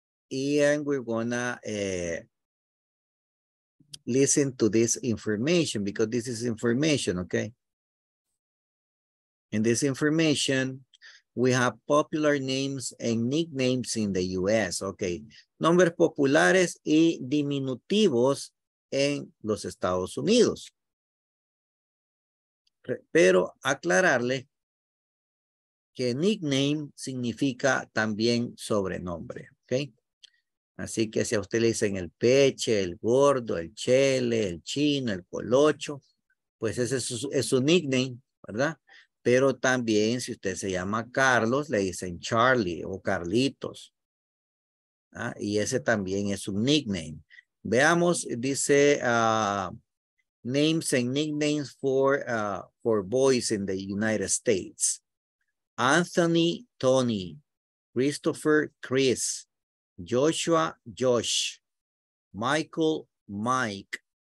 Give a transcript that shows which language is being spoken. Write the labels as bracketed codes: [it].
[en] And we're gonna listen to this information because this is information, okay? In this information, we have popular names and nicknames in the U.S., okay. [es] Nombres populares y diminutivos en los Estados Unidos. Pero aclararle que nickname significa también sobrenombre, okay. Así que si a usted le dicen el Peche, el Gordo, el Chele, el Chino, el Colocho, pues ese es su nickname, ¿verdad? Pero también si usted se llama Carlos, le dicen Charlie o Carlitos. ¿Ah? Y ese también es un nickname. Veamos, dice [en] names and nicknames for boys in the United States. Anthony, Tony. Christopher, Chris. Joshua, Josh. Michael, Mike.